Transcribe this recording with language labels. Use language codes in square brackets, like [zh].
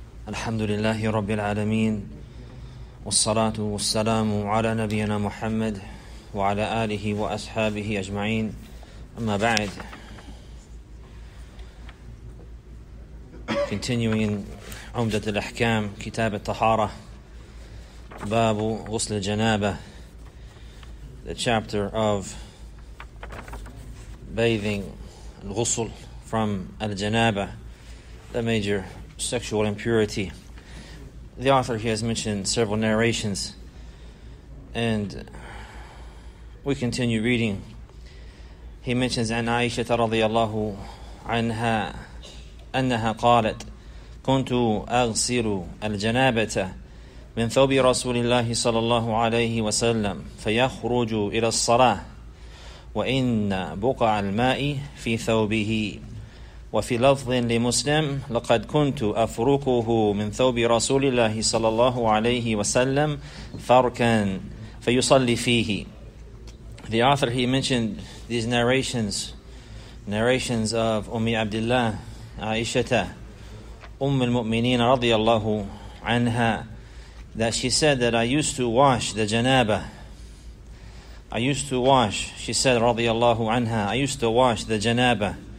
[ar] الحمد لله رب العالمين، والصلاة والسلام على نبينا محمد وعلى آله وأصحابه أجمعين، أما بعد. [en] Continuing عمدة الأحكام، [ar] كتاب الطهارة، باب غسل الجنابة، [en] the chapter of bathing الغسل from الجنابة، the major sexual impurity. The author here has mentioned several narrations, and we continue reading. He mentions [ar] عن عائشة رضي الله عنها أنها قالت كنت أغسل الجنابة من ثوب رسول الله صلى الله عليه وسلم فيخرج إلى الصلاة وإن بقع الماء في ثوبه. وفي لفظ لمسلم لقد كنت أفركه من ثوب رسول الله صلى الله عليه وسلم فركا فيصلي فيه. [en] The author, he mentioned these narrations of Ummi Abdullah, Aisha, Umm al-Mu'mineen [ar] رضي الله عنها, [en] that she said that I used to wash the janaba. I used to wash, she said [ar] رضي الله عنها, [en] I used to wash the janaba.